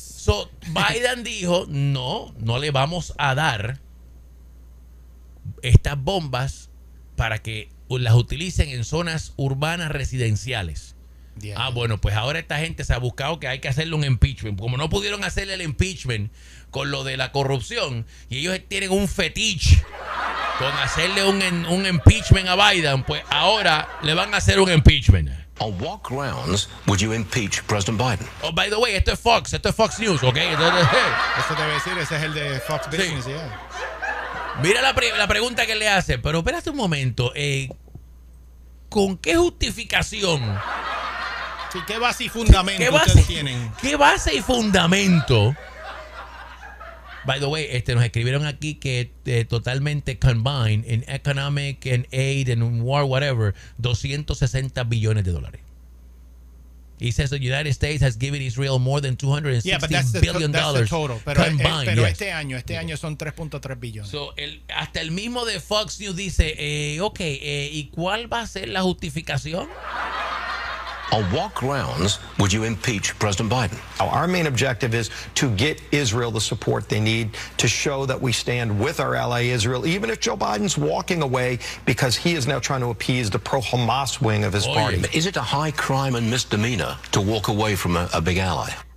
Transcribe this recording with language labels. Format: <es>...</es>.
<es>So, Biden dijo, no le vamos a dar estas bombas para que las utilicen en zonas urbanas residenciales. Yeah. Ah, bueno, pues ahora esta gente se ha buscado que hay que hacerle un impeachment. Como no pudieron hacerle el impeachment con lo de la corrupción, y ellos tienen un fetiche con hacerle un impeachment a Biden, pues ahora le van a hacer un impeachment.</es> <en>On what grounds would you impeach President Biden? Oh, by the way,</en> <es>esto es</es> <en>Fox News, ¿ok? Hey.</en> <es>Eso te voy a decir, ese es el de Fox Business, sí. Mira la pregunta que le hace, pero espérate un momento, ¿con qué justificación? Sí, ¿qué base y fundamento ustedes tienen? ¿Qué base y fundamento?</es> <en>By the way,</en> <es>nos escribieron aquí que totalmente</es> <en>combined in economic and aid and war, whatever, $260 billion. He says the United States has given Israel more than $260 billion combined.</en> <es>Pero este año son 3.3 billones. So, hasta el mismo de Fox News dice, ¿y cuál va a ser la justificación?</es> <en>On what grounds would you impeach President Biden? Our main objective is to get Israel the support they need to show that we stand with our ally Israel, even if Joe Biden's walking away because he is now trying to appease the pro-Hamas wing of his party. But is it a high crime and misdemeanor to walk away from a big ally?</en>